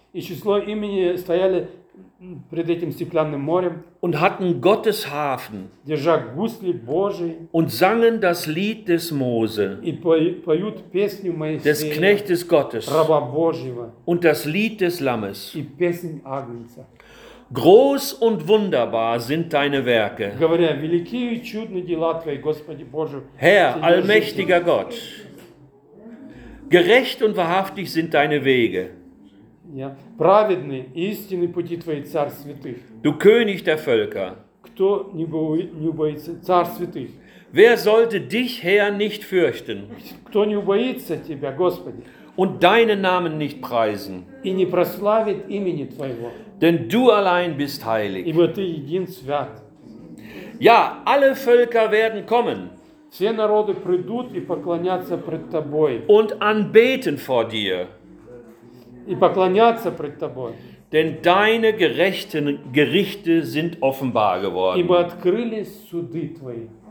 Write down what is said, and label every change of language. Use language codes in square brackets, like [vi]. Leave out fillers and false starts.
[ru] И число имени стояли пред этим стеклянным морем. [de] Und hatten Gottes Hafen. [ru] Держа гусли Божии. [de] Und sangen das Lied des Mose. [ru] И поют песню Моисея. [de] Des Knechtes Gottes. [ru] Раба Божьего. [de] Und das Lied des Lammes. [ru] И песнь Агнца. [de] Groß und wunderbar sind deine Werke. [ru] Говоря, велики и чудны дела твои, Господи Боже. [de] Herr, allmächtiger Gott. Gerecht und wahrhaftig sind deine Wege. Ja. [ru] Праведные и истинные пути твои, царь святых. [de] Du König der Völker. [ru] Кто не убоится, царь святых. [de] Wer sollte dich, Herr, nicht fürchten? [ru] Кто не убоится тебя, Господи? [de] Und deinen Namen nicht preisen. [ru] И не прославит имени твоего. [de] Denn du allein bist heilig. [ru] Ибо ты един свят. [de] Ja, alle Völker werden kommen. [ru] Все народы придут и поклонятся пред тобой. [de] Und anbeten vor dir. [ru] И поклоняться пред тобой. [de] Denn deine gerechten Gerichte sind offenbar geworden. [ru] Ибо открылись суды твои.